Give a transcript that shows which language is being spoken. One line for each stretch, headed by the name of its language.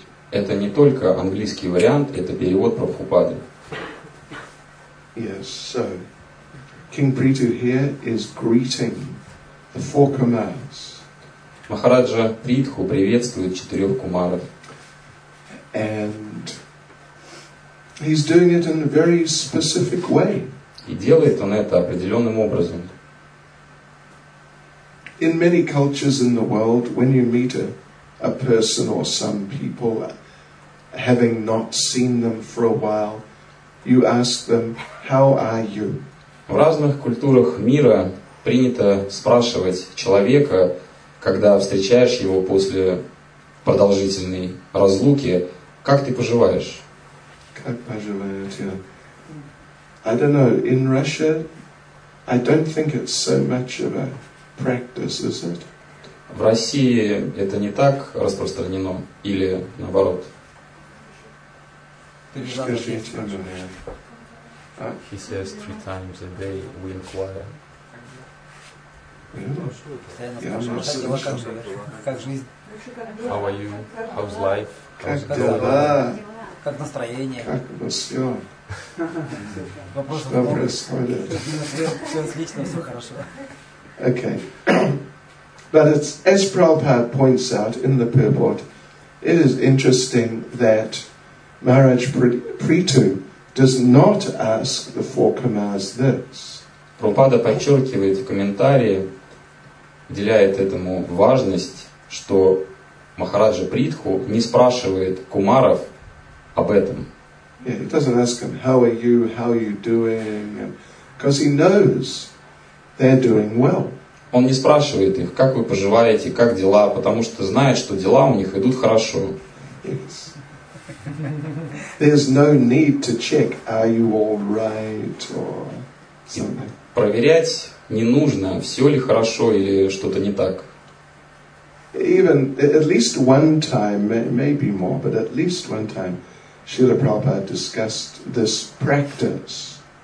Russian: Это не только английский вариант, это перевод Прабхупады.
English: Yes, so King Prithu here is greeting the four commands.
Russian: Махараджа Ридху приветствует четырех кумаров.
English: And he's doing it in a very specific way.
Russian: И делает он это определенным образом.
English: In many cultures in the world, when you meet a person or some people, having not seen them for a while, you ask them, "How are you?"
Russian: В разных культурах мира принято спрашивать человека, когда встречаешь его после продолжительной разлуки, как ты поживаешь? Как поживаете?
English: I don't know. In Russia, I don't think it's so much of a practice, is it?
Russian: В России это не так распространено, или наоборот? Скажите мне.
English: He says three times a day we inquire. Yeah. Yeah, how are you? How's life?
Russian: Как дела? Как настроение? Как все? Что происходит? Все отлично, все хорошо.
English: Okay. But it's, as Prabhupada points out in the purport, it is interesting that Maharaj Prithu does not ask the four kumars this.
Russian: Прабхупада подчеркивает в комментарии, уделяет этому важность, что Махараджа Притху не спрашивает кумаров об этом.
English: Yeah, he doesn't ask them, how are you doing, because he knows they're doing well.
Russian: Он не спрашивает их, как вы поживаете, как дела, потому что знает, что дела у них идут хорошо.
English: Yes. There's no need to check, are you all right, or something.
Russian: Проверять не нужно, все ли хорошо или что-то не так.
English: Even at least one time, maybe more, but at least one time, Srila Prabhupada discussed this practice.